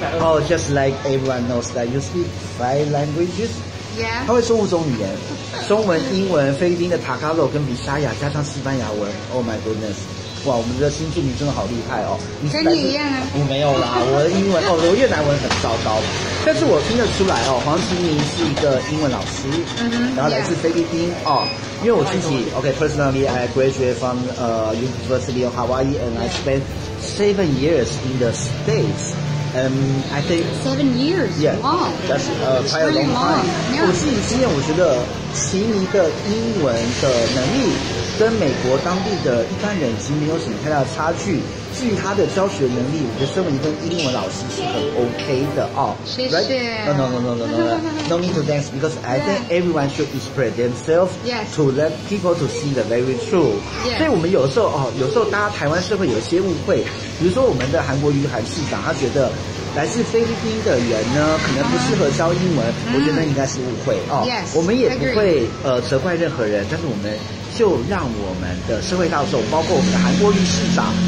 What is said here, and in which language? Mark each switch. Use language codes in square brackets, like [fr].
[en] 哦 ，just like everyone knows that you speak five languages， yeah， [zh] 他会说五种语言，中文、英文、菲律宾的塔卡洛跟比沙亚，加上西班牙文。 [en] Oh my goodness， [zh] 哇，我们的新住民真的好厉害哦。跟你一样啊？我没有啦，我的英文哦，我越南文很糟糕，但是我听得出来哦，黄琦妮是一个英文老师，然后来自菲律宾、 [en] yeah. 哦。 [zh] 因为我自己 [en] ，OK， personally， I graduated from University of Hawaii， and I spent 7 years in the States， I think 7 years， yeah， wow， that's quite a long time。 [zh] 我自己经验，我觉得琦妮的英文的能力跟美国当地的一般人其实没有什么太大的差距。至于他的教学能力，我觉得身为一个英文老师是很 OK 的哦。谢谢。 [en] Right? No need to thanks because I think everyone should express themselves、 yes. to let people to see the very truth、 yes.。 [zh] 所以我们有时候哦，有时候大家台湾社会有些误会，比如说我们的韩国瑜韩市长，他觉得来自菲律宾的人呢，可能不适合教英文， uh-huh. 我觉得应该是误会哦。 [en] Yes, [zh] 我们也不会责怪任何人，但是我们就让我们的社会大众，包括我们的韩国瑜市长。